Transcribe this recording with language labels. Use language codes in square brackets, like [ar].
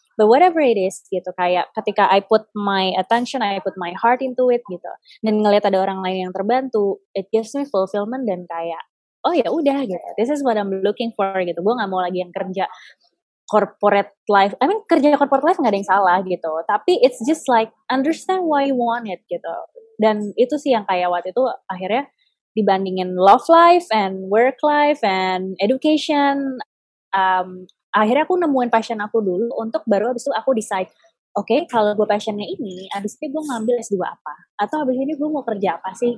[en] But whatever it is, [id] gitu, kayak ketika [en] I put my attention, I put my heart into it, [id] gitu. Dan ngelihat ada orang lain yang terbantu, [en] it gives me fulfillment, [id] dan kayak, oh ya udah gitu. [en] This is what I'm looking for, [id] gitu. Gue gak mau lagi yang kerja corporate life. I mean, kerja corporate life gak ada yang salah, gitu. Tapi [en] it's just like, understand why you want it, [id] gitu. Dan itu sih yang kayak waktu itu akhirnya dibandingin [en] love life and work life and education, [id] akhirnya aku nemuin passion aku dulu, untuk baru abis itu aku [en] decide, okay, [id] kalau gue passionnya ini, abis itu gue ngambil S2 apa? Atau abis ini gue mau kerja apa sih?